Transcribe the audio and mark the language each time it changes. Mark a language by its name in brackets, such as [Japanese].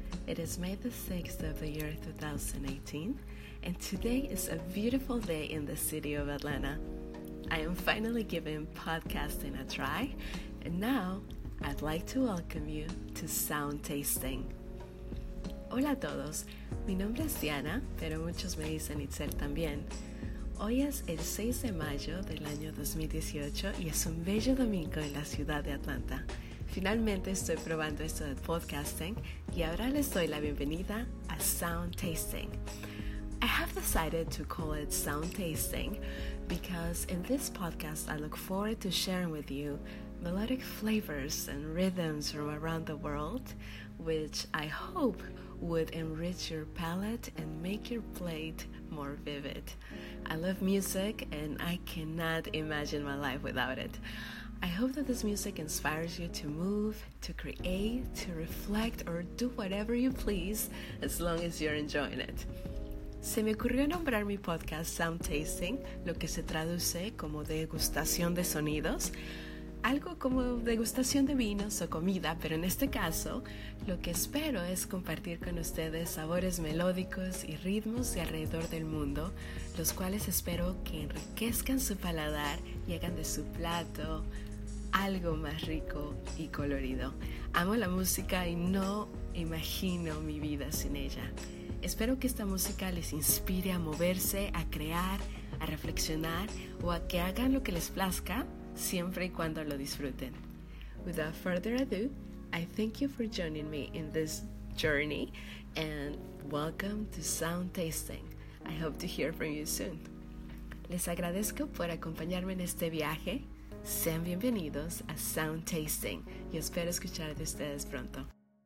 [English] It is May the 6th of the year 2018, and today is a beautiful day in the city of Atlanta. I am finally giving podcasting a try, and now I'd like to welcome you to Sound Tasting. [Spanish] Hola a todos, mi nombre es Diana, pero muchos me dicen Itzel también. Hoy es el 6 de mayo del año 2018 y es un bello domingo en la ciudad de Atlanta. Finalmente estoy probando esto del podcasting y ahora les doy la bienvenida a Sound Tasting. [English] I have decided to call it Sound Tasting because in this podcast I look forward to sharing with you melodic flavors and rhythms from around the world, which I hope would enrich your palate and make your plate more vivid. I love music and I cannot imagine my life without it. I hope that this music inspires you to move, to create, to reflect, or do whatever you please, as long as you're enjoying it. [Spanish] Se me ocurrió nombrar mi podcast Sound Tasting, lo que se traduce como degustación de sonidos, algo como degustación de vinos o comida, pero en este caso, lo que espero es compartir con ustedes sabores melódicos y ritmos de alrededor del mundo, los cuales espero que enriquezcan su paladar y hagan de su plato algo más rico y colorido. Amo la música y no imagino mi vida sin ella. Espero que esta música les inspire a moverse, a crear, a reflexionar o a que hagan lo que les plazca, siempre y cuando lo disfruten. [English] Without further ado, I thank you for joining me in this journey and welcome to Sound Tasting. I hope to hear from you soon. [Spanish] Les agradezco por acompañarme en este viaje. Sean bienvenidos a Sound Tasting y espero escuchar de ustedes pronto.